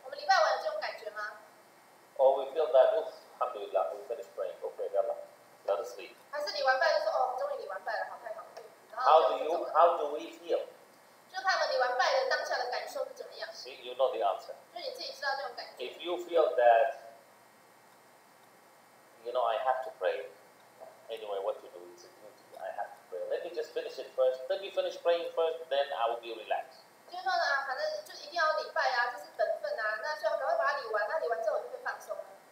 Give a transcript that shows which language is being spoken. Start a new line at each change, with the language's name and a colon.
Chinese: 我们礼拜完有这种感觉吗？
English: Or we feel that, oof, alhamdulillah, we finished praying, okay, Allah, let us sleep.
Chinese: 还是你完拜就说，哦，终于你完拜了，好，太好了。
English: How do we feel?
Chinese: 就看了你完拜的当下的感受是怎么样。
English: See, you know the answer.
Chinese: 就你自己知道这种感觉。
English: If you feel that, you know, I have to pray, anyway, what to do, it's a duty, I have to pray. Let me just finish it first, let me finish praying first, then I will be relaxed.
Chinese: 就是说呢，反正就一定要礼拜啊，这是本分啊。那所以赶快把它礼完，那礼完之后我就会放松了。